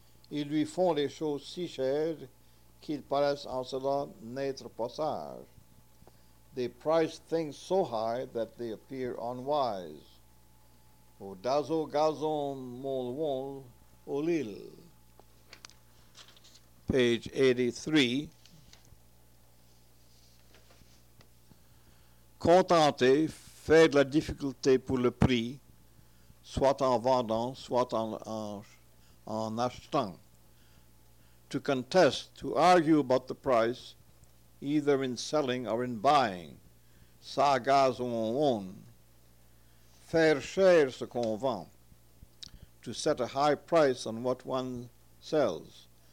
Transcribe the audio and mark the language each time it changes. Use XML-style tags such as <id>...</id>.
<fr>Ils lui font les choses si chères qu'ils paraissent en cela n'être pas sages.</fr> <en>They price things so high that they appear unwise. O dazo gazon mol wol olil. Page 83.</en> <fr>Contenter, faire de la difficulté pour le prix, soit en vendant, soit en achetant.</fr> <en>To contest, to argue about the price, either in selling or in buying.</en> <fr>Ça gaz on. Faire cher ce qu'on vend.</fr> <en>To set a high price on what one sells.</en>